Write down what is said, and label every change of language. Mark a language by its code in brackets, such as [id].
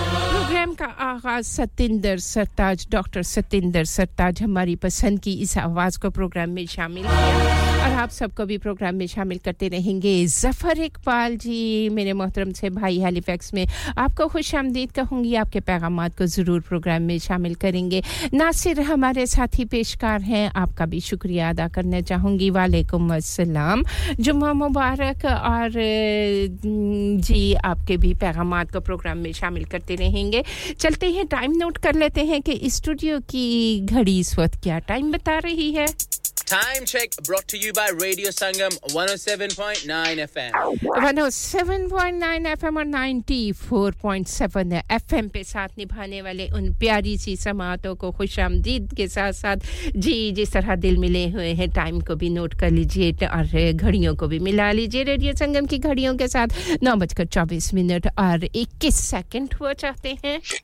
[hi] Programme का आगाज सतिंदर सरताज doctor Satinder सरताज हमारी पसंद की इस आवाज को प्रोग्राम में शामिल किया और आप सबको भी प्रोग्राम में शामिल करते रहेंगे जफर इकबाल जी मेरे मोहतरम से भाई हैलिफैक्स में आपको खुशामदीद कहूंगी आपके पैगामात को जरूर प्रोग्राम में शामिल करेंगे नासिर हमारे साथी पेशकार हैं आपका भी शुक्रिया अदा करना चाहूंगी वालेकुम अस्सलाम जुम्मा मुबारक और जी आपके भी पैगामात को प्रोग्राम में शामिल करते रहेंगे चलते हैं टाइम नोट कर लेते हैं कि स्टूडियो की घड़ी इस वक्त क्या टाइम बता रही है [en] Time check brought to you by Radio Sangam 107.9 FM. [hi] 107.9 FM or 94.7 FM पे साथ निभाने वाले उन प्यारी सी समातों को खुशामदीद के साथ साथ जी जिस तरह दिल मिले हुए हैं टाइम को भी नोट कर लीजिए और घड़ियों को भी मिला लीजिए रेडियो संगम की घड़ियों के साथ 9:24 और 21 सेकंड हुआ चाहते हैं